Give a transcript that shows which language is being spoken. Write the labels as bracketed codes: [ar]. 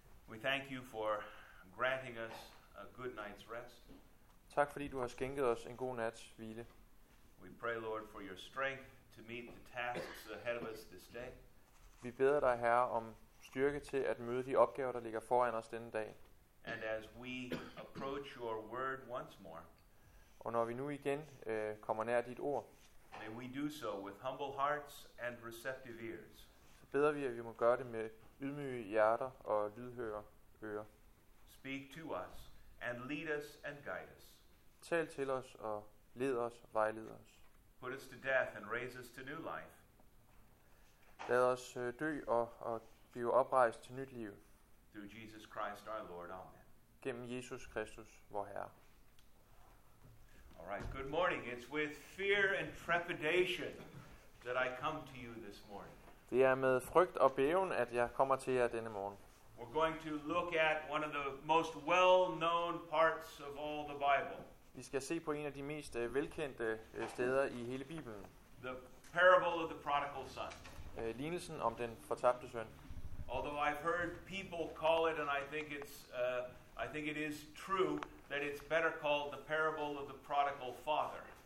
[en] We thank you for granting us a good night's rest. [da] Tak fordi du har skænket os en god nats hvile. [en] We pray, Lord, for your strength to meet the tasks ahead of us this day. [da] Vi beder dig, Herre, om styrke til at møde de opgaver, der ligger foran os denne dag. [en] And as we approach your word once more. [da] Og når vi nu igen kommer nær dit ord. [en] May we do so with humble hearts and receptive ears. [da] Så beder vi, at vi må gøre det med ydmyge hjerter og lydhøre ører. [en] Speak to us and lead us and guide us. [da] Tal til os og led os, vejled os. [en] Put us to death and raise us to new life. [da] Lad os dø og blive oprejst til nyt liv. [en] Through Jesus Christ our Lord. Amen. [da] Gennem Jesus Kristus, vor Herre. [en] All right. Good morning. It's with fear and trepidation that I come to you this morning. [da] Det er med frygt og bæven at jeg kommer til jer denne morgen. [en] We're going to look at one of the most well-known parts of all the Bible. [da] Vi skal se på en af de mest velkendte steder i hele Bibelen. [en] The parable of the prodigal son. [da] Lignelsen om den fortabte søn. [en] Although I've heard people call it, and I think it is true, that it's better called the parable of the prodigal father.